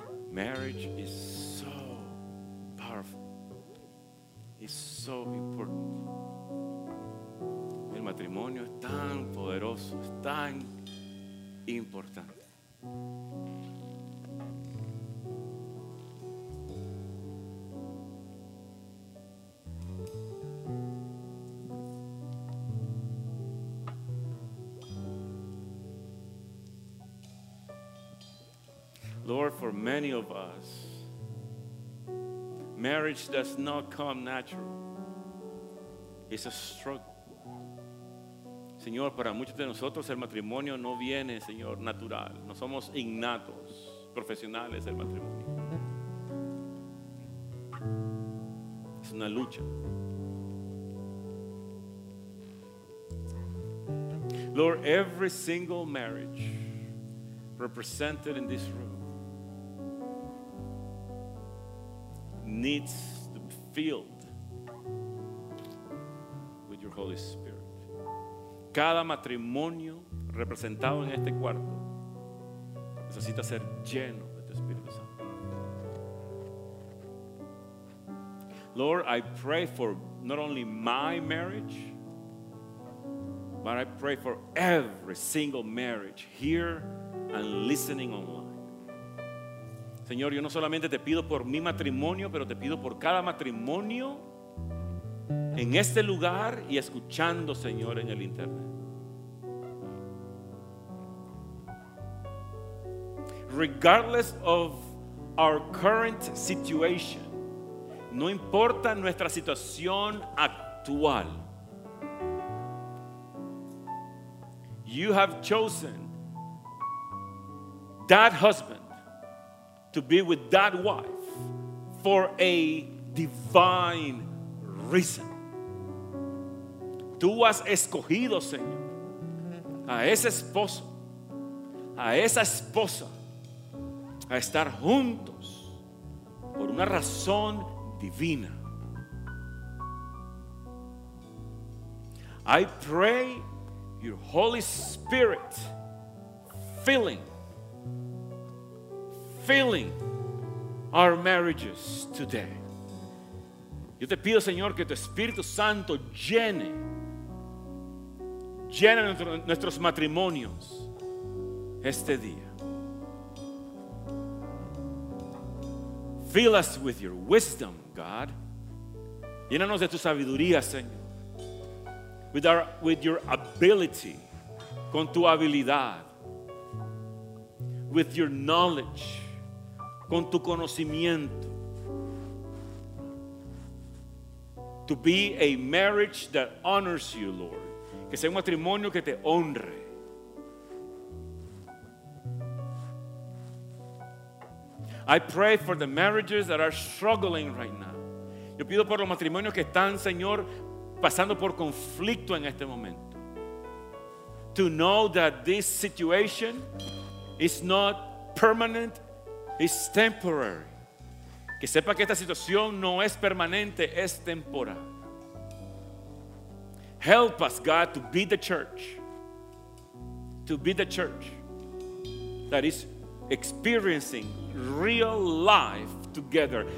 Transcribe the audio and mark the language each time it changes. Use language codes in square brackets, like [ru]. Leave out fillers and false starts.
[en] Marriage is so powerful. It's so important. [es] El matrimonio es tan poderoso, es tan importante. [en] For many of us, marriage does not come natural. It's a struggle. [es] Señor, para muchos de nosotros el matrimonio no viene, Señor, natural. No somos innatos, profesionales del matrimonio. Es una lucha. [en] Lord, every single marriage represented in this room needs to be filled with your Holy Spirit. [es] Cada matrimonio representado en este cuarto necesita ser lleno de tu Espíritu Santo. [en] Lord, I pray for not only my marriage, but I pray for every single marriage here and listening online. [es] Señor, yo no solamente te pido por mi matrimonio, pero te pido por cada matrimonio en este lugar y escuchando, Señor, en el internet. [en] Regardless of our current situation, [es] no importa nuestra situación actual, [en] you have chosen that husband to be with that wife for a divine reason. [es] Tú has escogido, Señor, a ese esposo, a esa esposa, a estar juntos por una razón divina. [en] I pray your Holy Spirit filling our marriages today. [es] Yo te pido, Señor, que tu Espíritu Santo llene nuestros matrimonios este día. [en] Fill us with your wisdom, God. [es] Llénanos de tu sabiduría, Señor. [en] With your ability [es] con tu habilidad, [en] with your knowledge, [es] con tu conocimiento, [en] to be a marriage that honors you, Lord, [es] que sea un matrimonio que te honre. [en] I pray for the marriages that are struggling right now. [es] Yo pido por los matrimonios que están, Señor, pasando por conflicto en este momento. [en] To know that this situation is not permanent, it's temporary. [es] Que sepa que esta situación no es permanente, es temporal. [en] Help us, God, to be the church. To be the church that is experiencing real life together.